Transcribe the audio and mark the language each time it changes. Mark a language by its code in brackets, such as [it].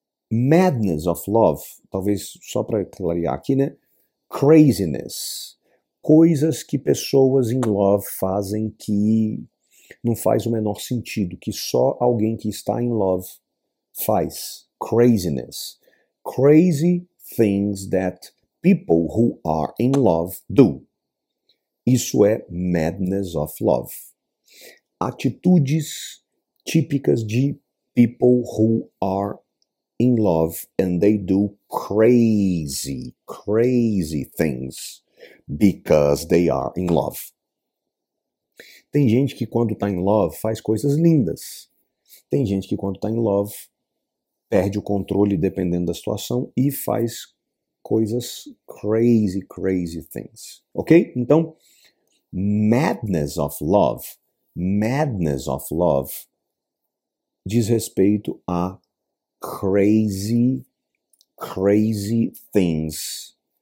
[pt] Madness of love, talvez só para clarear aqui, né? Craziness. Coisas que pessoas in love fazem que não faz o menor sentido, que só alguém que está in love faz. [en] Craziness. Crazy things that people who are in love do. [pt] Isso é [en] madness of love. [pt] Atitudes típicas de [en] people who are in love and they do crazy, crazy things. Because they are in love. [pt] Tem gente que quando está in love faz coisas lindas. Tem gente que quando está in love perde o controle dependendo da situação e faz coisas [en] crazy, crazy things. [pt] Ok? Então, madness of love, madness of love diz respeito a [en] crazy, crazy things.